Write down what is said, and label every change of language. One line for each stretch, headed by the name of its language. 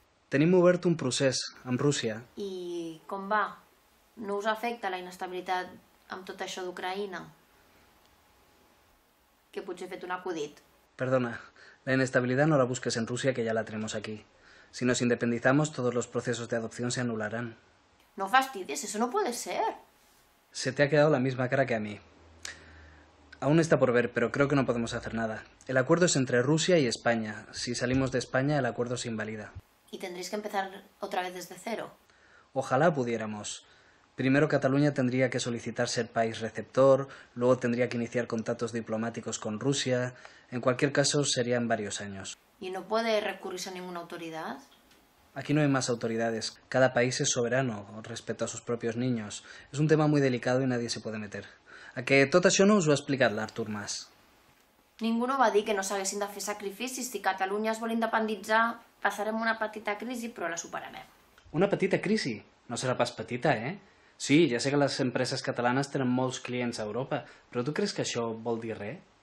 Catalan: Tenim obert un procés amb Rússia. I com va? No us afecta la inestabilitat amb tot això d'Ucraïna? Que potser he fet un acudit.
Spanish: Perdona, la inestabilidad no la busques en Rusia, que ya la tenemos aquí. Si nos independizamos, todos los procesos de adopción se anularán. No fastidies, eso no puede ser. Se te ha quedado la misma cara que a mí. Aún está por ver, pero creo que no podemos hacer nada. El acuerdo es entre Rusia y España. Si salimos de España, el acuerdo se invalida. ¿Y tendréis que empezar otra vez desde cero? Ojalá pudiéramos. Primero Cataluña tendría que solicitar ser país receptor, luego tendría que iniciar contactos diplomáticos con Rusia. En cualquier caso, serían varios años. ¿Y no puede recurrir a ninguna autoridad? Aquí no hay más autoridades. Cada país es soberano respecto a sus propios niños. Es un tema muy delicado y nadie se puede meter.
Catalan: ¿A que tot això no us va explicar l'Artur Mas? Ninguno va dir que no s'haguessin de fer sacrificis. Si Catalunya es vol independitzar, passarem una petita crisi, però la superarem. Una petita crisi? No serà pas petita, eh? Sí, ja sé que les empreses catalanes tenen molts clients a Europa, però tu creus que això vol dir res?